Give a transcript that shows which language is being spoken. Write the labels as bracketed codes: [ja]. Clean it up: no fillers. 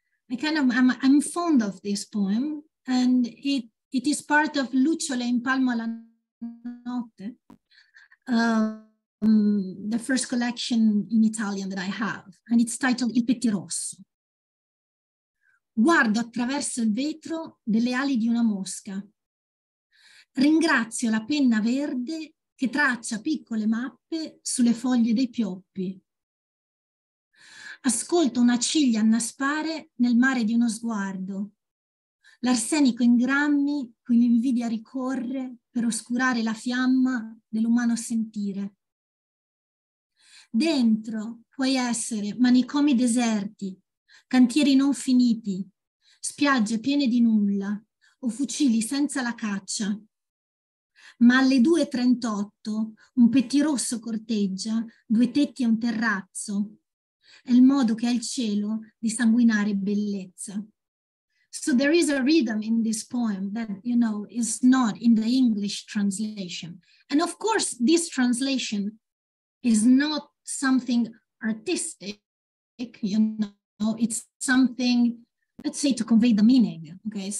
[en] I'm fond of this poem, and it is part of Lucciole in Palmo alla notte, the first collection in Italian that I have, and it's titled Il petto rosso. [it] Guardo attraverso il vetro delle ali di una mosca. Ringrazio la penna verde che traccia piccole mappe sulle foglie dei pioppi. Ascolto una ciglia annaspare nel mare di uno sguardo, l'arsenico in grammi cui l'invidia ricorre per oscurare la fiamma dell'umano sentire. Dentro puoi essere manicomi deserti, cantieri non finiti, spiagge piene di nulla o fucili senza la caccia. Ma alle 2:38 un pettirosso corteggia due tetti e un terrazzo. È il modo che ha il cielo di sanguinare bellezza. [en] So there is a rhythm in this poem that, you know, is not in the English translation. And of course, this translation is not something artistic, you know, it's something, let's say, to convey the meaning, okay?